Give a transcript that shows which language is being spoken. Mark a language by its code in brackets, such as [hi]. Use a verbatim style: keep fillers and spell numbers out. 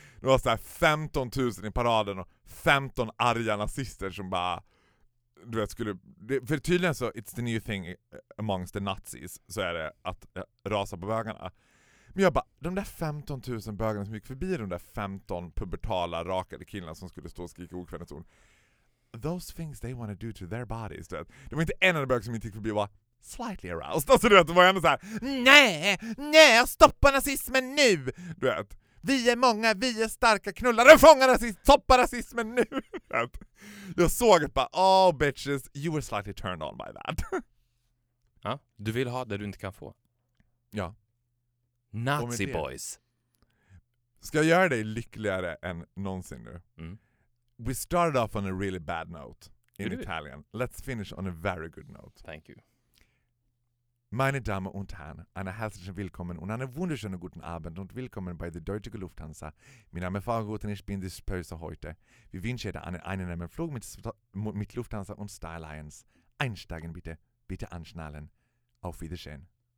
[sv] Det var så här femton tusen i paraden och femton arga nazister som bara, du vet, skulle, för tydligen så [en] it's the new thing amongst the nazis, [sv] så är det att rasa på bögarna. Men jag bara, de där femton tusen bögarna som gick förbi, de där femton pubertala rakade killarna som skulle stå och skrika okvädningsord, [en] those things they want to do to their bodies. [sv] Det var inte en enda bög som inte gick förbi och var [en] slightly aroused. [sv] Alltså du vet, det var ändå så här: nej, nej, stoppa nazismen nu! Du vet, vi är många, vi är starka, knullare, fångar rasism, stoppa rasismen nu! Jag såg att bara, [en] oh bitches, you were slightly turned on by that. [sv] Ja, du vill ha det du inte kan få. Ja. [en] Nazi boys. [sv] Ska jag göra dig lyckligare än någonsin nu? Mm. [en] We started off on a really bad note in Good. Italian. Let's finish on a very good note. Thank you. [de] Meine Damen und Herren, eine herzliche Willkommen und einen wunderschönen guten Abend und willkommen bei der Deutschen Lufthansa. Mein Name ist Fahrguten, ich bin die Spöse heute. Wir wünschen dir einen angenehmen Flug mit, mit Lufthansa und Star Alliance. Einsteigen bitte, bitte anschnallen. Auf Wiedersehen.